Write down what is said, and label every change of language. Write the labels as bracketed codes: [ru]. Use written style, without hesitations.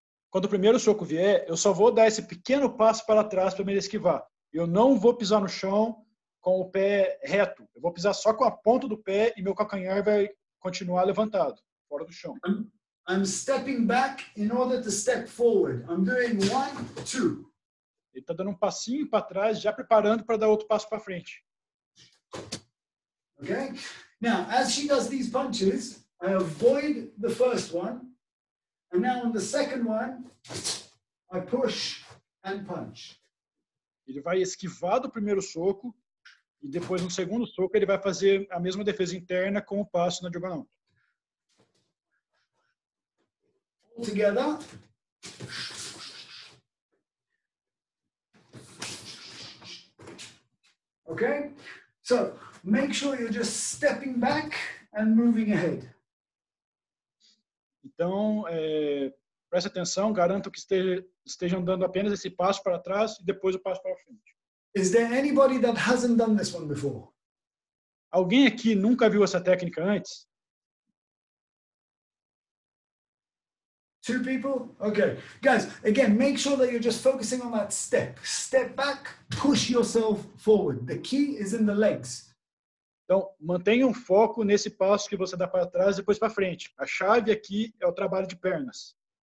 [pt] Quando o primeiro soco vier, eu só vou dar esse pequeno passo para trás para me esquivar. Eu não vou pisar no chão com o pé reto. Eu vou pisar só com a ponta do pé e meu calcanhar vai continuar levantado, fora do chão. [en] I'm stepping back in order to step forward. I'm doing one, two. [pt] Ele está dando um passinho para trás, já preparando para dar outro passo para frente. [en] Okay? Now, as she does these punches, I avoid the first one. And now on the second one, I push and punch. [pt] Ele vai esquivar do primeiro soco. E depois, no segundo soco, ele vai fazer a mesma defesa interna com o passo na diagonal. [en] All together. Okay? So, make sure you're just stepping back and moving ahead. [pt] Então, preste atenção, garanto que esteja andando apenas esse passo para trás e depois o passo para frente. [en] Is there anybody that hasn't done this one before? [pt] Alguém aqui nunca viu essa técnica antes? [en] Two people? Okay. Guys, again, make sure that you're just focusing on that step. Step back, push yourself forward. The key is in the legs. [pt] Então, mantenha um foco nesse passo que você dá para trás e depois para frente. A chave aqui é o trabalho de pernas.